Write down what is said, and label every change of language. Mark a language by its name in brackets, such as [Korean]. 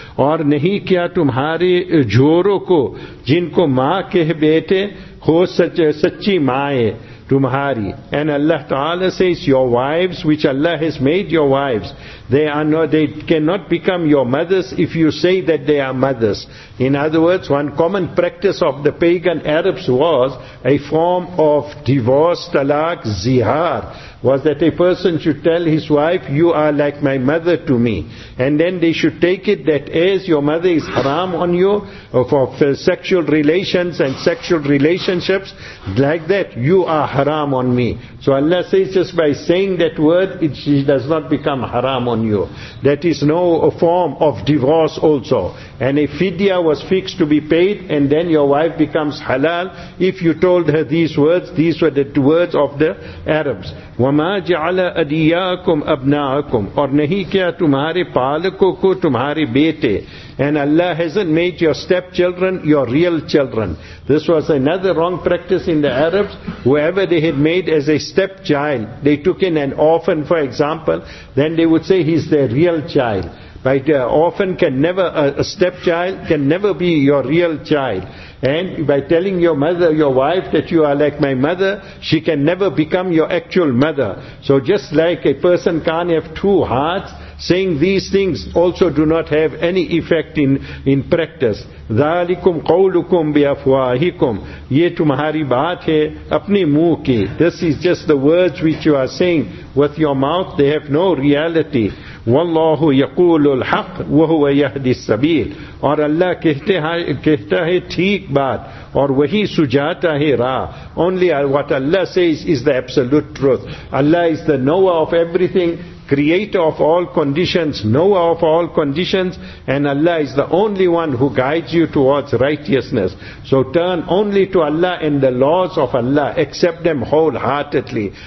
[Urdu] اور نہیں کیا تمہارے جوروں کو جن کو ماں کہ بیٹے ہو سچی ماں تمہاری. [English] And Allah Ta'ala says, your wives, which Allah has made your wives, they cannot become your mothers if you say that they are mothers. In other words, one common practice of the pagan Arabs was a form of divorce, talaq, zihar, was that a person should tell his wife, you are like my mother to me. And then they should take it that as your mother is haram on you for sexual relations and sexual relationships, like that you are haram on me. So Allah says, just by saying that word, she does not become haram on you. That is no form of divorce also. And a fidya was fixed to be paid, and then your wife becomes halal if you told her these words. These were the words of the Arabs. [Arabic] وَمَا جَعَلَ أَدِيَاكُمْ أَبْنَاكُمْ. [Urdu] اور نہیں کیا تمہارے پالکوں کو تمہارے بیٹے. [English] And Allah hasn't made your stepchildren your real children. This was another wrong practice in the Arabs. Whoever they had made as a stepchild, they took in an orphan, for example, then they would say he's their real child. But an orphan can never, a stepchild can never be your real child. And by telling your mother, your wife, that you are like my mother, she can never become your actual mother. So just like a person can't have two hearts, saying these things also do not have any effect in practice. [Arabic] ذَلِكُمْ قَوْلُكُمْ بِأَفْوَاهِكُمْ. [Urdu] یہ تمہاری بات ہے اپنے منہ کی. [English] This is just the words which you are saying with your mouth. They have no reality. [Arabic] وَاللَّهُ يَقُولُ الْحَقِّ وَهُوَ يَهْدِ السَّبِيلِ. [Urdu] اور اللہ کہتا ہے ٹھیک بات اور وہی سجاتا ہے راہ. [English] Only what Allah says is the absolute truth. Allah is the knower of everything, creator of all conditions, knower of all conditions, and Allah is the only one who guides you towards righteousness. So turn only to Allah and the laws of Allah. Accept them wholeheartedly.